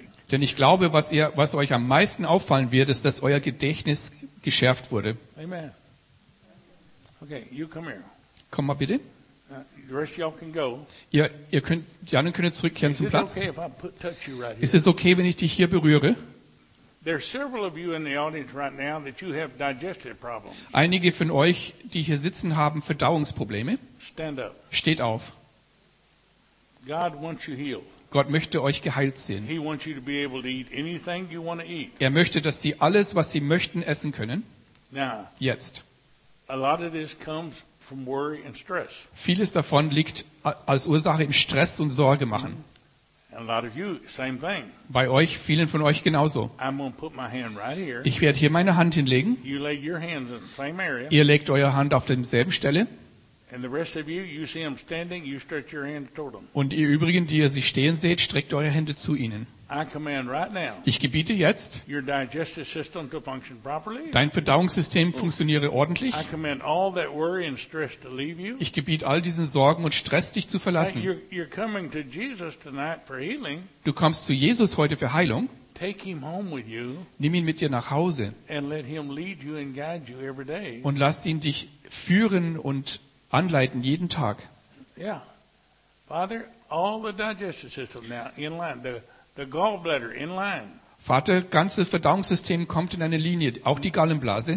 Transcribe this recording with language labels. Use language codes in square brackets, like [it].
[de] Denn ich glaube, was euch am meisten auffallen wird, ist, dass euer Gedächtnis geschärft wurde. [en] Amen. Okay, you come here. [de] Komm mal bitte. [en] The rest of y'all can go. [de] Ihr könnt, die anderen können zurückkehren [en] Is [de] zum Platz. [en] Okay if I put, touch you right here? [de] Ist es okay, wenn ich dich hier berühre? [en] There are several of you in the audience right now that you have digestive problems. [de] Einige von euch, die hier sitzen, haben Verdauungsprobleme. [en] Stand up. [de] Steht auf. [en] God wants you healed. [de] Gott möchte euch geheilt sehen. [en] He wants you to be able to eat anything you want to eat. [de] Er möchte, dass sie alles, was sie möchten, essen können. [en] Now. [de] Jetzt. [en] A lot of this comes from worry and stress. [de] Vieles davon liegt als Ursache im Stress und Sorge machen. [en] And a lot of you, same thing. [de] Bei euch, vielen von euch genauso. [en] I'm gonna put my hand right here. [de] Ich werde hier meine Hand hinlegen. [en] You lay your hands in the same area. [de] Ihr legt eure Hand auf derselben Stelle. [en] And the rest of you, you see them standing, you stretch your hand toward them. [de] Und ihr übrigen, die ihr sie stehen seht, streckt eure Hände zu ihnen. [en] I command right now. [de] Ich gebiete jetzt. [en] Your digestive system to function properly. [de] Dein Verdauungssystem funktioniere ordentlich. [en] I command all that worry and stress to leave you. [de] Ich gebiete all diesen Sorgen und Stress, dich zu verlassen. [en] You're coming to Jesus tonight for healing. [de] Du kommst zu Jesus heute für Heilung. [en] Take him home with you. [de] Nimm ihn mit dir nach Hause. [en] And let him lead you and guide you every day. [de] Und lass ihn dich führen und anleiten jeden Tag. [en] Yeah. Father, all the digestive system now in line. The gallbladder in line. [de] Vater, ganze Verdauungssystem kommt in eine Linie, auch die Gallenblase.